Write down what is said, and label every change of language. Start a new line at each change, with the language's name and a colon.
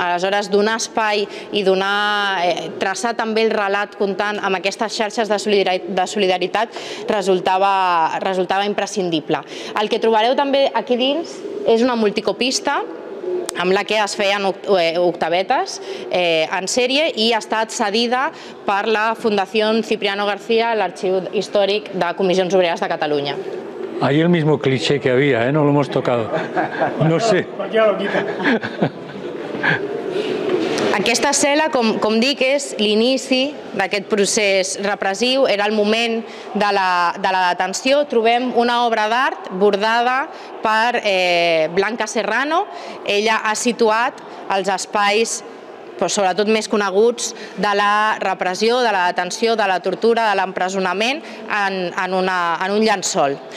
Catalan: Aleshores, donar espai i traçar també el relat comptant amb aquestes xarxes de solidaritat resultava imprescindible. El que trobareu també aquí dins és una multicopista amb la que es feien octavetes en sèrie i ha estat cedida per la Fundació Cipriano García, l'Arxiu Històric de Comissions Obreres de Catalunya.
Spanish: Ahí el mismo cliché que había, ¿eh? No lo hemos tocado. No sé.
Catalan: Aquesta cel·la, com dic, és l'inici d'aquest procés repressiu, era el moment de la detenció. Trobem una obra d'art bordada per Blanca Serrano. Ella ha situat els espais, però sobretot més coneguts, de la repressió, de la detenció, de la tortura, de l'empresonament en un llençol.